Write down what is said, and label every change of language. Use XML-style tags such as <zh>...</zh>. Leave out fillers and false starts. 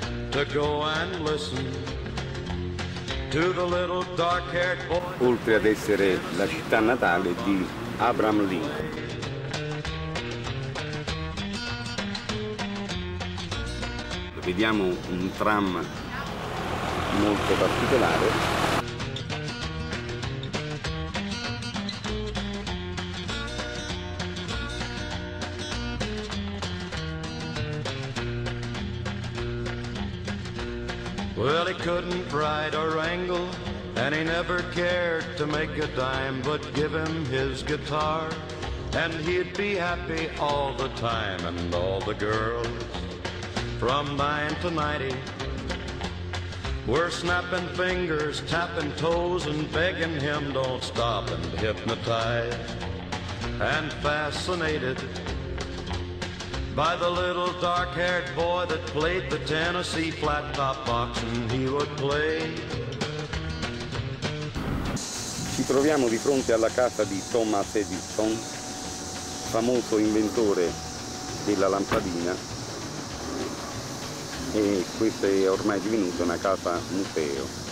<en>To go and listen to the little dark-haired boy.</en> <it>Oltre ad essere la città natale di Abraham Lincoln. Vediamo un tram molto particolare.</it> <en>Well, he couldn't ride or wrangle, and he never cared to make a dime, but give him his guitar, and he'd be happy all the time, and all the girls from 9 to 90 were snapping fingers, tapping toes, and begging him don't stop, and hypnotized and fascinated by the little dark-haired boy that played the Tennessee flat-top box, and he would play.</en> <it>Ci troviamo di fronte alla casa di Thomas Edison, famoso inventore della lampadina, e questa è ormai divenuta una casa museo.</it>